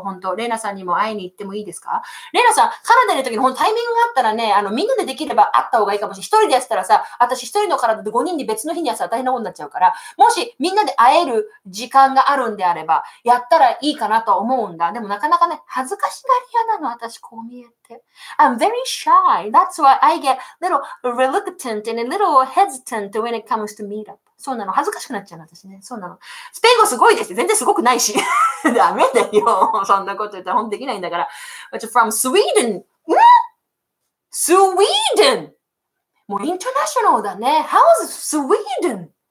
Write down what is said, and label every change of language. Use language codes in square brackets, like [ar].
[ja] 本当、レイナさんにも会いに行ってもいいですか？レイナさん、カナダにいる時にタイミングがあったらね、みんなでできれば会った方がいいかもしれない。一人でやったらさ、私一人の体で5人で別の日にやったら大変なことになっちゃうから、もし、みんなで会える時間があるんであれば、やったらいいかなと思うんだ。でも、なかなかね、恥ずかしがり屋なの、私、こう見えて。 [en] I'm very shy. That's why I get,little reluctant and a little hesitant when it comes to meet up. [ja] そうなの。恥ずかしくなっちゃうの、私ね。そうなの。スペイン語すごいです。全然すごくないし。ダメだよ。そんなこと言ったら本当できないんだから。 [en] But from Sweden. Sweden! [ja] もうインターナショナルだね。 [en] How's Sweden?